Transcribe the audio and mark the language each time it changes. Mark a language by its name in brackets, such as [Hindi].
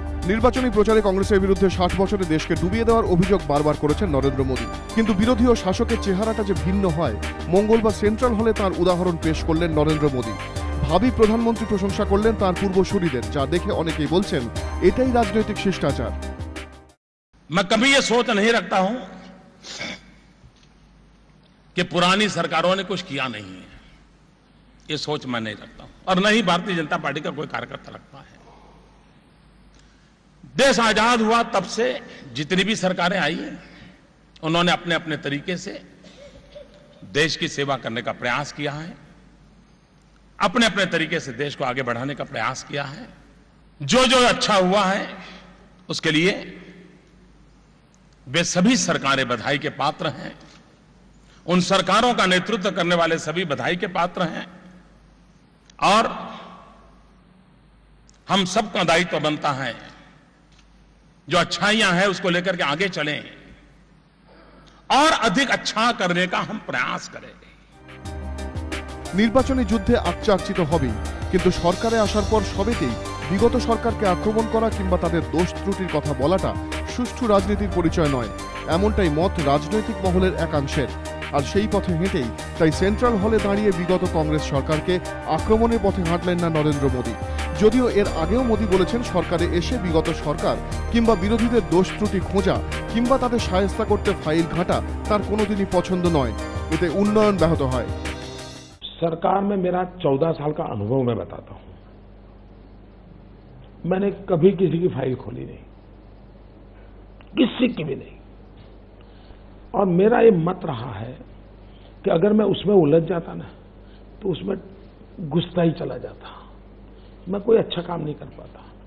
[Bangla] নির্বাচনী প্রচারে কংগ্রেসের বিরুদ্ধে 60 বছরে দেশকে ডুবিয়ে দেওয়ার অভিযোগ বারবার করেছেন নরেন্দ্র মোদী, কিন্তু বিরোধী ও শাসকের চেহারাটা যে ভিন্ন হয়, মঙ্গল বা সেন্ট্রাল হলে তার উদাহরণ পেশ করলেন নরেন্দ্র মোদী, ভাবি প্রধানমন্ত্রী প্রশংসা করলেন তার পূর্বসূরীদের, যা দেখে অনেকেই বলছেন এটাই রাজনৈতিক শিষ্টাচার। [Hindi] मैं कभी ये सोच नहीं रखता हूं कि पुरानी सरकारों ने कुछ किया नहीं है, ये सोच मैं नहीं रखता हूं, और न ही भारतीय जनता पार्टी का कोई कार्यकर्ता रखता है। देश आजाद हुआ तब से जितनी भी सरकारें आई हैं उन्होंने अपने अपने तरीके से देश की सेवा करने का प्रयास किया है, अपने अपने तरीके से देश को आगे बढ़ाने का प्रयास किया है। जो जो अच्छा हुआ है उसके लिए वे सभी सरकारें बधाई के पात्र हैं, उन सरकारों का नेतृत्व करने वाले सभी बधाई के पात्र हैं, और हम सबका दायित्व बनता है जो अच्छाइयां हैं उसको लेकर के आगे चलें और अधिक अच्छा करने का हम प्रयास करें। [Bangla] নির্বাচনী যুদ্ধে আকচাকচিত হবে, কিন্তু সরকারে আসার পর সবেতেই বিগত সরকারকে আক্রমণ করা কিংবা তাদের দোষ ত্রুটির কথা বলাটা সুষ্ঠু রাজনীতির পরিচয় নয়। এমনটাই মত রাজনৈতিক মহলের একাংশের। আর সেই পথে হেঁটেই তাই সেন্ট্রাল হলে দাঁড়িয়ে বিগত কংগ্রেস সরকারকে আক্রমণের পথে হাঁটলেন না নরেন্দ্র মোদী। যদিও এর আগেও মোদী বলেছেন সরকারে এসে বিগত সরকার কিংবা বিরোধীদের দোষ ত্রুটি খোঁজা কিংবা তাদের শায়েস্তা করতে ফাইল ঘাটা তার কোনোদিনই পছন্দ নয়, এতে উন্নয়ন ব্যাহত হয়। [Hindi] सरकार में मेरा 14 साल का अनुभव मैं बताता हूं, मैंने कभी किसी की फाइल खोली नहीं, किसी की भी नहीं। और मेरा ये मत रहा है कि अगर मैं उसमें उलझ जाता ना तो उसमें घुसता ही चला जाता, मैं कोई अच्छा काम नहीं कर पाता।